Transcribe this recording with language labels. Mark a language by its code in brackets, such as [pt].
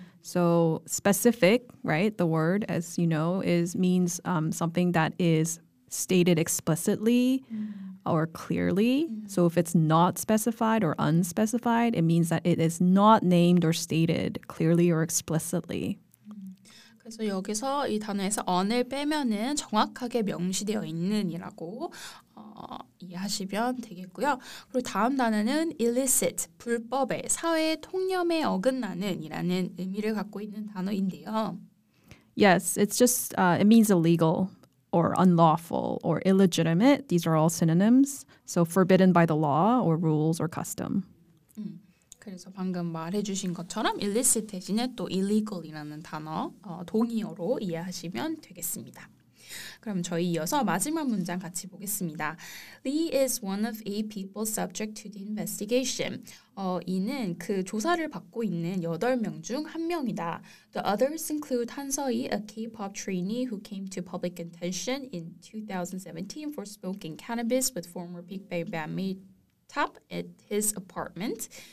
[en] So specific, right? The word, as you know, is means something that is stated explicitly or clearly. So if it's not specified or unspecified, it means that it is not named or stated clearly or explicitly. [ko] 그래서 여기서 이 단어에서 un을 빼면은 정확하게 명시되어 있는이라고 이해하시면 되겠고요. 그리고 다음 단어는 illicit, 불법의, 사회의 통념에 어긋나는 이라는 의미를 갖고 있는 단어인데요. [en] Yes, it's just, it means illegal or unlawful or illegitimate. These are all synonyms. So forbidden by the law or rules or custom. [ko] 그래서 방금 말해주신 것처럼 illicit 대신에 또 illegal이라는 단어 동의어로 이해하시면 되겠습니다. 그럼 저희 이어서 마지막 문장 같이 보겠습니다. [en] Lee is one of eight people subject to the investigation. [ko] 이는 그 조사를 받고 있는 8명 중 한 명이다. [en] The others include Han Seo-yi, a K-pop trainee who came to public attention in 2017 for smoking cannabis with former Big Bang bandmate Top at his apartment.